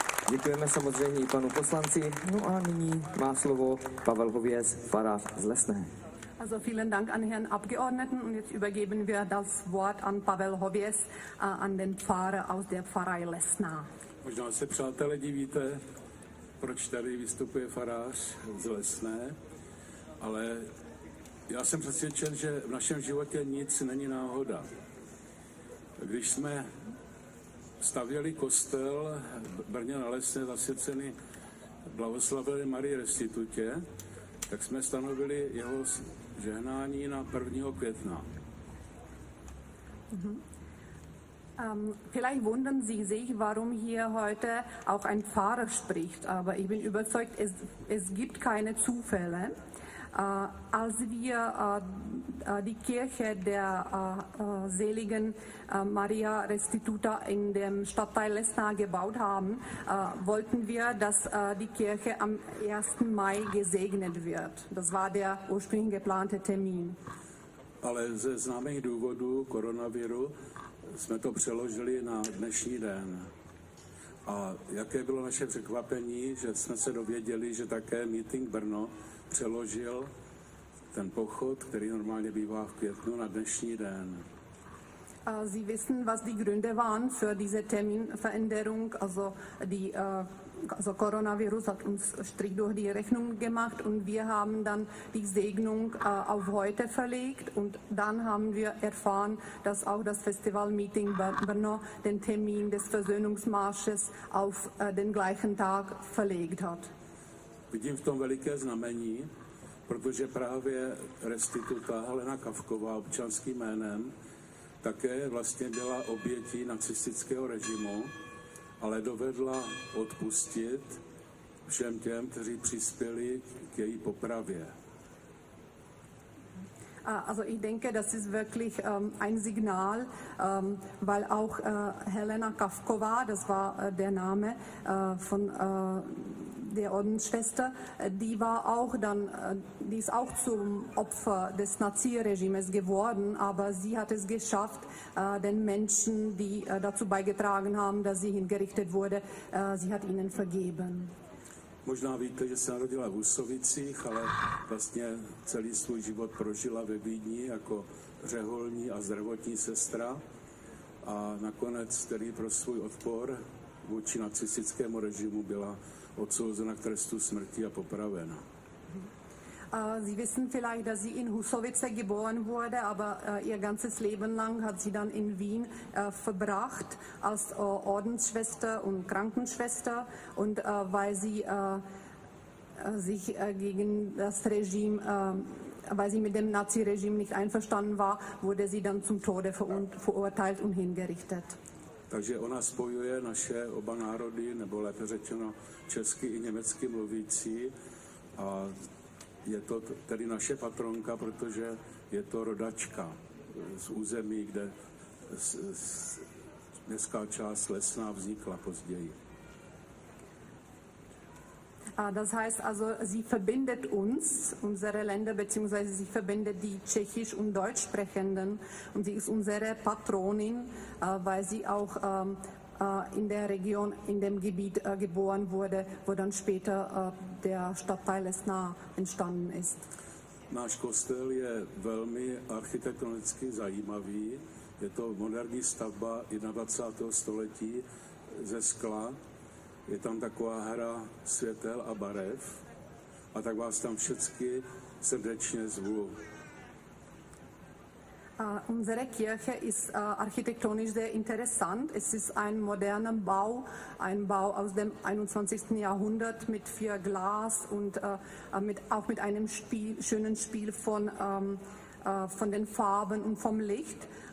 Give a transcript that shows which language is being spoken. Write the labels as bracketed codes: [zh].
[cs] Děkujeme samozřejmě i panu poslanci. No a nyní má slovo Pavel Hověz, farář z Lesné. [de] Also vielen Dank an Herrn Abgeordneten, und jetzt übergeben wir das Wort an Pavel Hověz, an den Pfarrer aus der Pfarrei Lesná. [cs] Možná se, přátelé, divíte, proč tady vystupuje farář z Lesné, ale já jsem přesvědčen, že v našem životě nic není náhoda. Když jsme stavěli kostel v Brně na Lesné zasvěcený Blahoslavené Marii Restitutě, tak jsme stanovili jeho žehnání na 1. května. [de] Vielleicht wundern Sie sich, warum hier heute auch ein Pfarrer spricht, aber ich bin überzeugt, es gibt keine Zufälle. Als wir die Kirche der seligen Maria Restituta in dem Stadtteil Lesna gebaut haben, wollten wir, dass die Kirche am 1. Mai gesegnet wird. Das war der ursprünglich geplante Termin. [cs] Ale ze známých důvodů koronaviru jsme to přeložili na dnešní den. A jaké bylo naše překvapení, že jsme se dověděli, že také Meeting Brno přeložil ten pochod, který normálně bývá v květnu, na dnešní den. [de] Sie wissen, was die Gründe waren für diese Terminveränderung. Also die also Coronavirus hat uns Strich durch die Rechnung gemacht und wir haben dann die Segnung auf heute verlegt und dann haben wir erfahren, dass auch das Festival Meeting Brno den Termin des Versöhnungsmarsches auf den gleichen Tag verlegt hat. [cs] Vidím v tom veliké znamení, protože právě Restituta Helena Kavková občanským jménem také vlastně byla obětí nacistického režimu, ale dovedla odpustit všem těm, kteří přispěli k její popravě. [de] Also ich denke, das ist wirklich ein Signal, weil auch Helena Kavková, das war der Name von der Ordensschwester, die war auch dann, die ist auch zum Opfer des Nazi-Regimes geworden, aber sie hat es geschafft, den Menschen, die dazu beigetragen haben, dass sie hingerichtet wurde, sie hat ihnen vergeben. [cs] Možná víte, že se narodila v Husovicích, ale vlastně celý svůj život prožila ve Vídni jako řeholní a zdravotní sestra a nakonec tedy pro svůj odpor vůči nacistickému režimu byla odsouzena k trestu smrti a popravena. [de] Sie wissen vielleicht, dass sie in Husovice geboren wurde, aber ihr ganzes Leben lang hat sie dann in Wien verbracht als Ordensschwester und Krankenschwester. Und weil sie sich gegen das Regime, weil sie mit dem Nazi-Regime nicht einverstanden war, wurde sie dann zum Tode verurteilt und hingerichtet. [cs] Takže ona spojuje naše oba národy, nebo lépe řečeno česky i německy mluvící. A je to tedy naše patronka, protože je to rodačka z území, kde městská část Lesná vznikla později. [de] Das heißt also, sie verbindet uns, unsere Länder, beziehungsweise sie verbindet die Tschechisch- und Deutschsprechenden. Und sie ist unsere Patronin, weil sie auch in der Region, in dem Gebiet geboren wurde, wo dann später der Stadtteil Lesná entstanden ist. [cs] Náš kostel je velmi architektonicky zajímavý. Je to moderní stavba 21. století ze skla. Je tam taková hra světel a barev. A tak vás tam všechny srdečně zvu. [de] Unsere Kirche ist architektonisch sehr interessant. Es ist ein moderner Bau, ein Bau aus dem 21. Jahrhundert mit viel Glas und auch mit einem schönen Spiel von den Farben und vom Licht.